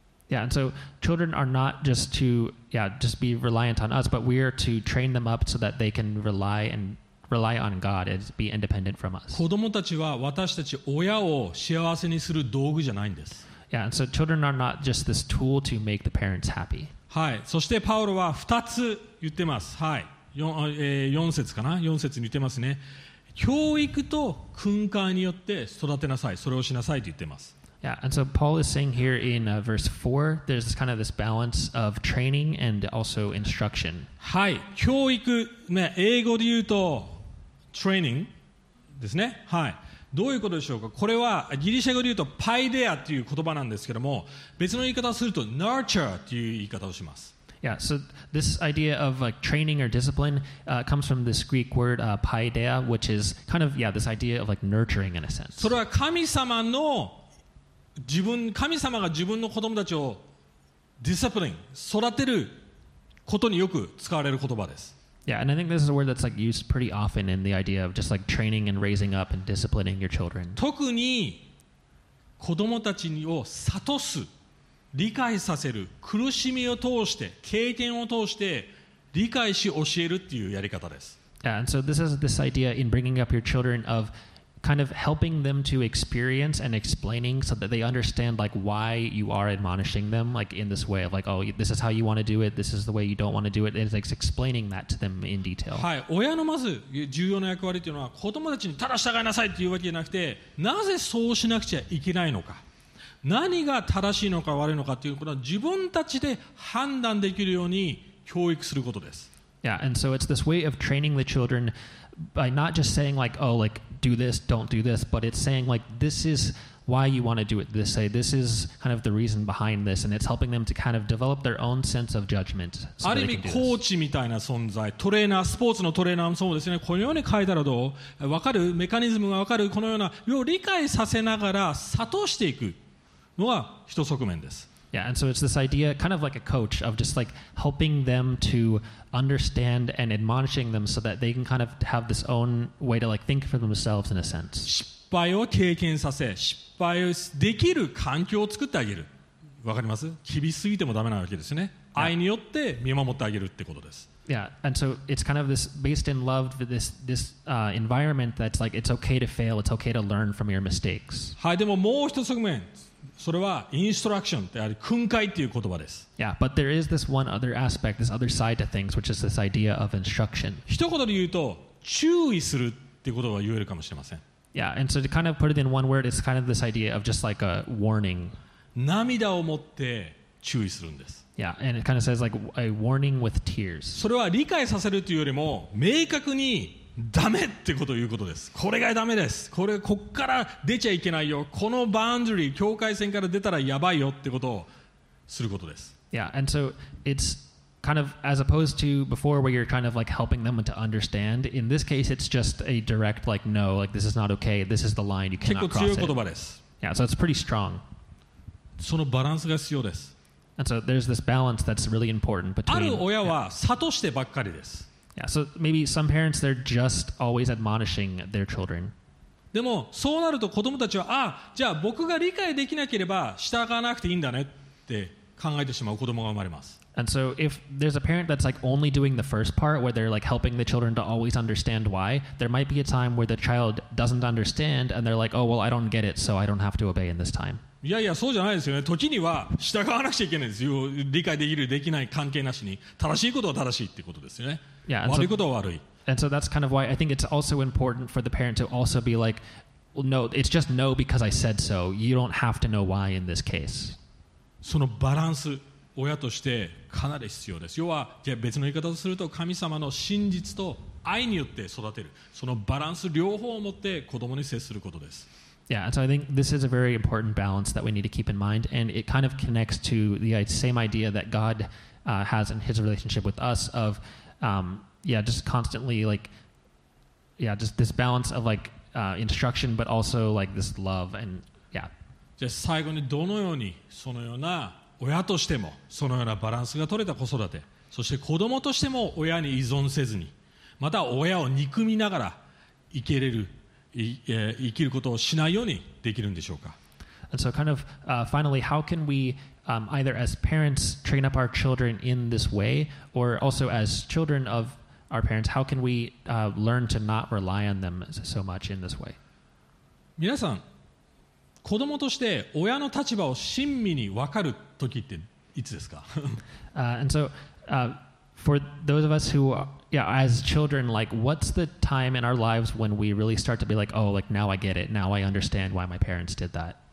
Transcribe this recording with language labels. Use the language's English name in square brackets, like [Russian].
[English] Yeah, and so children are not just to, yeah, just be reliant on us, but we are to train them up so that they can rely on God and be independent from us. [Japanese] 子供たちは私たち親を幸せにする道具じゃないんです。 [English] Yeah, and so children are not just this tool to make the parents happy. [Japanese] はい、そしてパウロは2つ言ってます。はい、4節かな、4節に言ってますね。教育と訓戒によって育てなさい、それをしなさいと言ってます。 [English] Yeah, and so Paul is saying here in verse 4, there's this kind of this balance of training and also instruction. [Japanese] はい、教育、ね、英語で言うと training ですね。はい、どういうことでしょうか。これはギリシャ語で言うとパイデアっていう言葉なんですけども、別の言い方をすると nurture っていう言い方をします。 [English] Yeah, so this idea of like training or discipline comes from this Greek word paideia, which is kind of, yeah, this idea of like nurturing in a sense. [Japanese] それは神様の自分、神様が自分の子供たちをディサプリン、育てることによく使われる言葉です。 [English] Yeah, and I think this is a word that's like used pretty often in the idea of just like training and raising up and disciplining your children. [Japanese] 特に子供たちを悟す、理解させる、苦しみを通して、経験を通して理解し教えるっていうやり方です。 [English] Yeah, and so this is this idea in bringing up your children of kind of helping them to experience and explaining so that they understand like why you are admonishing them like in this way of like, oh, this is how you want to do it, this is the way you don't want to do it, and it's like explaining that to them in detail. [Japanese] はい、親のまず重要な役割っていうのは子供たちにただ従いなさいっていうわけじゃなくて、なぜそうしなくちゃいけないのか、何が正しいのか悪いのかっていうことは自分たちで判断できるように教育することです。 [English] Yeah, and so it's this way of training the children by not just saying like, oh, like, do this, don't do this, but it's saying like, this is why you want to do it this way. This is kind of the reason behind this, and it's helping them to kind of develop their own sense of judgment. [Japanese] So ある意味コーチみたいな存在、トレーナー、スポーツのトレーナーもそうですね。このように書いたらどう？わかる？メカニズムがわかる？このような、要理解させながら悟していくのが一側面です。 [English] Yeah, and so it's this idea, kind of like a coach, of just like helping them to understand and admonishing them so that they can kind of have this own way to like think for themselves in a sense. [Japanese] 失敗を経験させ、失敗をできる環境を作ってあげる。わかります？厳しすぎてもダメなわけですね。愛によって見守ってあげるってことです。 [English] Yeah, and so it's kind of this based in love, this environment that's like it's okay to fail, it's okay to learn from your mistakes. [Japanese] はい、でももう一つ側面。それはインストラクションってある訓戒っていう言葉です。 [English] Yeah, but there is this one other aspect, this other side to things, which is this idea of instruction. [Japanese] 一言で言うと注意するっていう言葉は言えるかもしれません。 [English] Yeah, and so to kind of put it in one word, it's kind of this idea of just like a warning. [Japanese] 涙を持って注意するんです。 [English] Yeah, and it kind of says like a warning with tears. [Japanese] それは理解させるというよりも明確にダメってことを言うことです。これがダメです。これこっから出ちゃいけないよ。このバウンダリー、境界線から出たらやばいよってことをすることです。 [English] Yeah, and so it's kind of as opposed to before where you're kind of like helping them to understand. In this case, it's just a direct like no, like this is not okay. This is the line you cannot cross. [Japanese] 結構強い言葉です。 [English] Yeah, so it's pretty strong. [Japanese] そのバランスが必要です。 [English] And so there's this balance that's really important between. [Japanese] ある親は悟してばっかりです。 [English] Yeah, so maybe some parents they're just always admonishing their children. [Japanese] でもそうなると子供たちはあ、じゃあ僕が理解できなければ従わなくていいんだねって考えてしまう子供が生まれます。 [English] And so if there's a parent that's like only doing the first part where they're like helping the children to always understand why, there might be a time where the child doesn't understand and they're like, oh well, I don't get it, so I don't have to obey in this time. [Japanese] いやいやそうじゃないですよね。時には従わなくちゃいけないんですよ。理解できるできない関係なしに正しいことは正しいってことですよね。 [English] Yeah, and so, and so that's kind of why I think it's also important for the parent to also be like, well, no, it's just no because I said so. You don't have to know why in this case. [Japanese] そのバランス、親としてかなり必要です。要は、じゃあ別の言い方をすると、神様の真実と愛によって育てる。そのバランス両方を持って子供に接することです。 [English] Yeah, and so I think this is a very important balance that we need to keep in mind, and it kind of connects to the same idea that God has in His relationship with us of yeah, just constantly like, yeah, just this balance of like instruction, but also like this love and yeah. [Japanese] じゃあ最後にどのようにそのような親としてもそのようなバランスが取れた子育て、そして子供としても親に依存せずに、また親を憎みながら生きれる、生きることをしないようにできるんでしょうか。 [English] And so kind of finally, how can we either as parents train up our children in this way or also as children of our parents, how can we learn to not rely on them so much in this way? [Japanese] 皆さん、子供として親の立場を親身に分かる時っていつですか? [English] and so for those of us who are, yeah, as children, like what's the time in our lives when we really start to be like, oh, like now I get it. Now I understand why my parents did that.